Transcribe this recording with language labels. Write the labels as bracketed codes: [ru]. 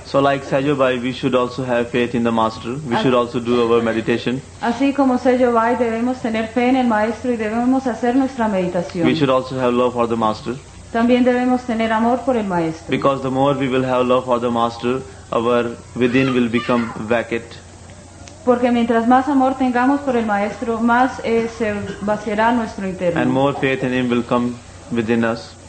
[en] So like Sahaj Ubai, we should also have faith in the master. We should also do our meditation. [es] Así como Sahaj Ubai, debemos tener fe en el maestro y debemos hacer nuestra meditación. [en] We should also have love for the master. [es] También debemos tener amor por el maestro. [en] Because the more we will have love for the master, our within will become vacant. [es] Porque mientras más amor tengamos por el maestro, más se vaciará nuestro interno. [en] And more faith in him will come within us.